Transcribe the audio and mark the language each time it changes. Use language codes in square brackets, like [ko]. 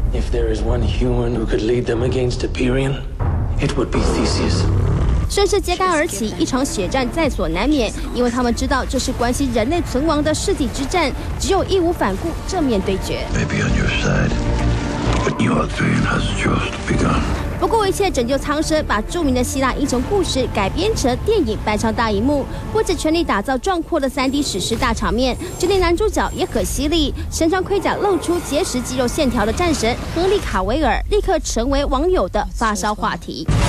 [en] If there is one human who could lead them against Hyperion, it would be Theseus。 [zh] 顺势揭竿而起，一场血战在所难免，因为他们知道这是关系人类存亡的世纪之战，只有义无反顾正面对决。 [en] Maybe on your side, but your dream has just begun。 [zh] 不顾一切拯救苍生，把著名的希腊英雄故事改编成电影搬上大荧幕，不止全力打造壮阔的 3D 史诗大场面，就连男主角也很犀利，身穿盔甲露出结实肌肉线条的战神亨利卡维尔立刻成为网友的发烧话题。